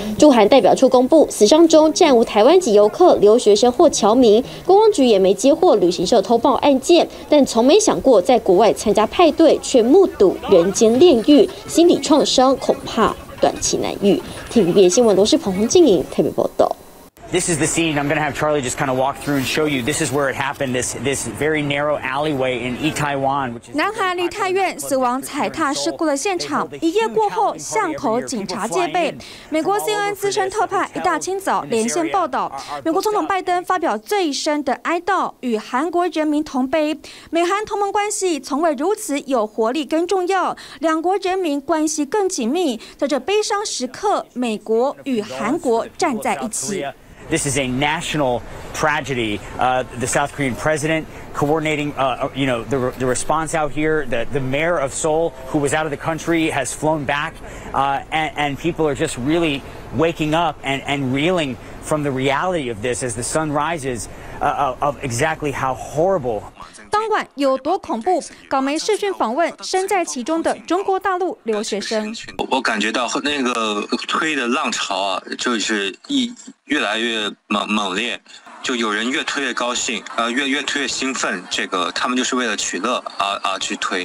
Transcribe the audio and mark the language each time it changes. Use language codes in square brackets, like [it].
[zh] 驻韩代表处公布，死伤中暂无台湾籍游客、留学生或侨民，观光局也没接获旅行社偷报案件，但从没想过在国外参加派对却目睹人间炼狱，心理创伤。恐怕短期难遇。TVBS 新闻罗世鹏、洪静颖特别报道。 [en] This is the scene. I'm going to have Charlie just kind of walk through and show you. This is where it happened. This very narrow alleyway in Itaewon. [zh] 南韩梨泰院死亡踩踏事故的现场，一夜过后巷口警察戒备。美国 CNN 资深特派一大清早连线报道，美国总统拜登发表最深的哀悼，与韩国人民同悲。美韩同盟关系从未如此有活力跟重要，两国人民关系更紧密。在这悲伤时刻，美国与韩国站在一起。 [en] This is a national tragedy. The South Korean president coordinating, the response out here. The mayor of Seoul, who was out of the country, has flown back, and people are just really waking up and reeling from the reality of this as the sun rises, of exactly how horrible. [zh] 当晚有多恐怖，港媒视讯访问身在其中的中国大陆留学生。我感觉到那个推的浪潮啊，就是越来越猛烈，就有人越推越高兴，越推越兴奋，这个他们就是为了取乐而去推。